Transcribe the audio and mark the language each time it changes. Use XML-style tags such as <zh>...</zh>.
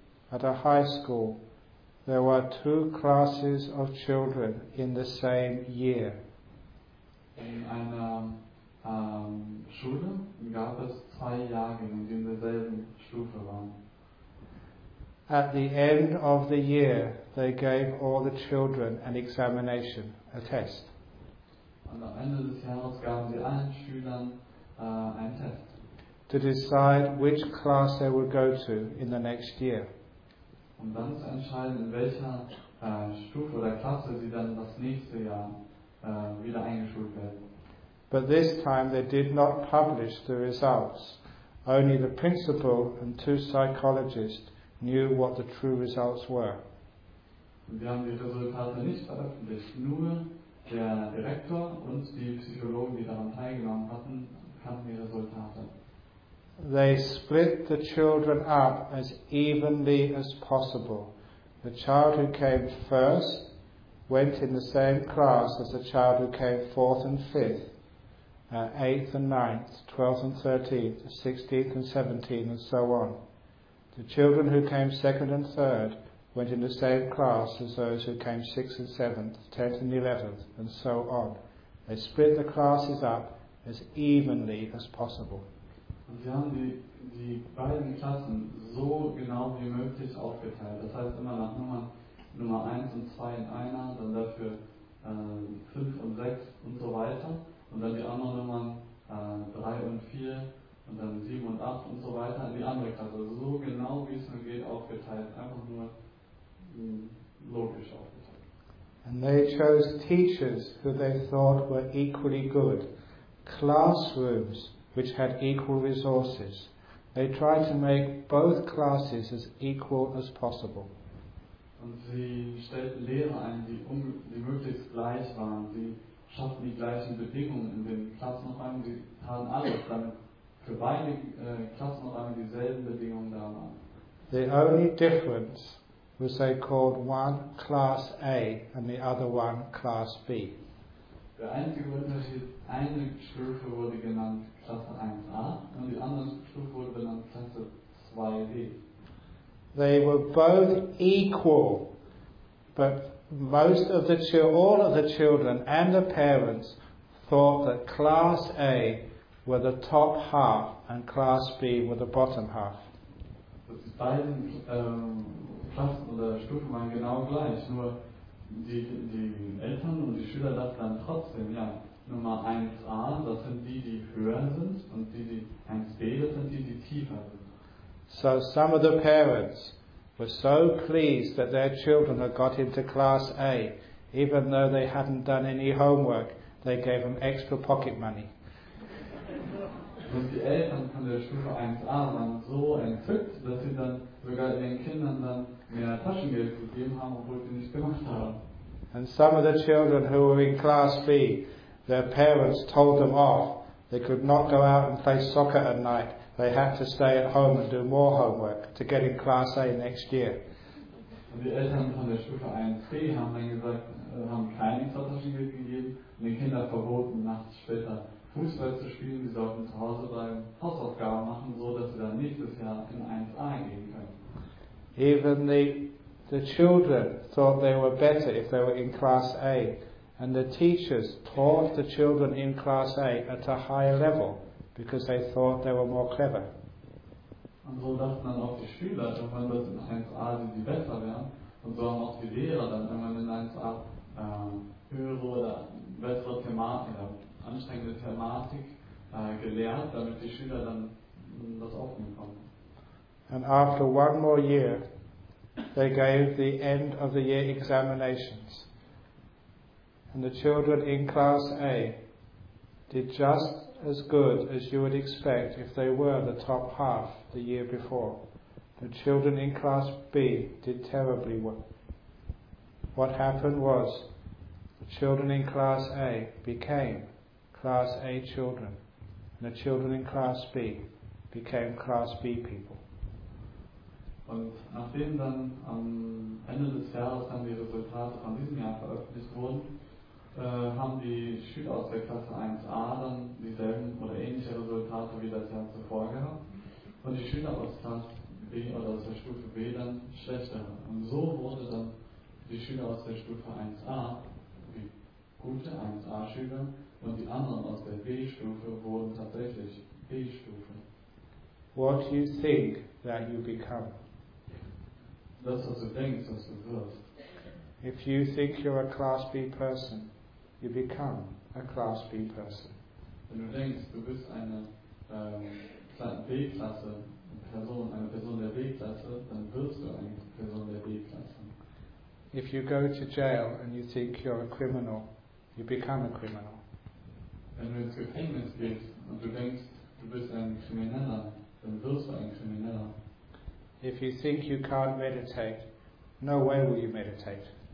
<en>At a high school, there were two classes of children in the same year.</en> <de>In einer Schule gab es zwei Jahrgänge, die in derselben Stufe waren.</de> <en>At the end of the year, they gave all the children an examination, a test.</en> <de>Und am Ende des Jahres gaben sie allen Schülern einen Test.</de> <en>To decide which class they would go to in the next year.</en> <de>Um dann zu entscheiden, in welcher Stufe oder Klasse sie dann das nächste Jahr wieder eingeschult werden.</de> <en>But this time they did not publish the results. Only the principal and two psychologists knew what the true results were.</en> <de>Wir haben die Resultate nicht veröffentlicht. Nur der Direktor und die Psychologen, die daran teilgenommen hatten, kannten die Resultate.</de> <en>They split the children up as evenly as possible. The child who came first went in the same class as the child who came fourth and fifth, eighth and ninth, 12th and 13th, 16th and 17th, and so on. The children who came second and third went in the same class as those who came sixth and seventh, tenth and eleventh, and so on. They split the classes up as evenly as possible.</en> <de>Und sie haben die beiden Klassen so genau wie möglich aufgeteilt. Das heißt immer nach Nummer 1 und 2 in einer, dann dafür 5 und 6 und so weiter. Und dann die anderen Nummern 3 und 4 und dann 7 und 8 und so weiter in die andere Klasse. So genau wie es nur geht aufgeteilt. Einfach nur logisch aufgeteilt.</de> <en>And they chose teachers who they thought were equally good. Classrooms which had equal resources. They tried to make both classes as equal as possible.</en> <de>Und sie stellten Lehrer ein, die möglichst gleich waren. Sie schafften die gleichen Bedingungen in den Klassenräumen. Sie taten alles, damit für beide Klassenräume dieselben Bedingungen da waren.</de> <en>The only difference was they called one class A and the other one class B.</en> <de>Der einzige Unterschied, eine Stufe wurde genannt Klasse 1a und die andere Stufe wurde genannt Klasse 2b.</de> <en>They were both equal, but all of the children and the parents thought that Class A were the top half and Class B were the bottom half.</en> <de>Die beiden Klassen oder Stufen waren genau gleich, nur die Eltern und die Schüler dachten dann trotzdem, ja, Nummer 1a, das sind die höher sind, und die 1b, das sind die tiefer sind.</de> <en>So some of the parents were so pleased that their children had got into Class A, even though they hadn't done any homework, they gave them extra pocket money.</en> <de>Und die Eltern von der Stufe 1a waren so entzückt, dass sie dann sogar ihren Kindern dann mehr Taschengeld gegeben haben, obwohl sie nicht gemacht haben.</de> <en>And some of the children who were in Class B, their parents told them off. They could not go out and play soccer at night. They had to stay at home and do more homework to get in Class A next year.</en> <de>Und die Eltern von der Stufe 1b haben dann gesagt, haben keine Taschengeld gegeben und den Kindern verboten, nachts später Fußball zu spielen. Sie sollten zu Hause bleiben, Hausaufgaben machen, so dass sie dann nächstes Jahr in 1a gehen können.</de> <en>Even the children thought they were better if they were in Class A, and the teachers taught the children in Class A at a higher level because they thought they were more clever.</en> <de>Und so dachten dann auch die Schüler, dass wenn das in 1a sind, die besser wären, und so haben auch die Lehrer dann, wenn man in 1a höhere oder bessere Thematik, anstrengende Thematik gelernt, damit die Schüler dann das aufnehmen konnten.</de> <en>And after one more year, they gave the end of the year examinations. And the children in Class A did just as good as you would expect if they were the top half the year before. The children in Class B did terribly well. What happened was, the children in Class A became Class A children, and the children in Class B became Class B people.</en> <de>Und nachdem dann am Ende des Jahres dann die Resultate von diesem Jahr veröffentlicht wurden, haben die Schüler aus der Klasse 1a dann dieselben oder ähnliche Resultate wie das Jahr zuvor gehabt. Und die Schüler aus Klasse B oder aus der Stufe B dann schlechter. Und so wurde dann die Schüler aus der Stufe 1a die gute 1a-Schüler und die anderen aus der B-Stufe wurden tatsächlich B-Stufe.</de> <en>What do you think that you become?</en> <de>Das, was du denkst, was du wirst.</de> <en>If you think you're a Class B person, you become a Class B person.</en> <de>Wenn du denkst, du bist eine B-Klasse Person, eine Person der B-Klasse, dann wirst du eine Person der B-Klasse.</de> <en>If you go to jail and you think you're a criminal, you become a criminal.</en> <de>Wenn du ins Gefängnis gehst und du denkst, du bist ein Krimineller, dann wirst du ein Krimineller.</de> <en>If you think you can't meditate, no way will you meditate.</en>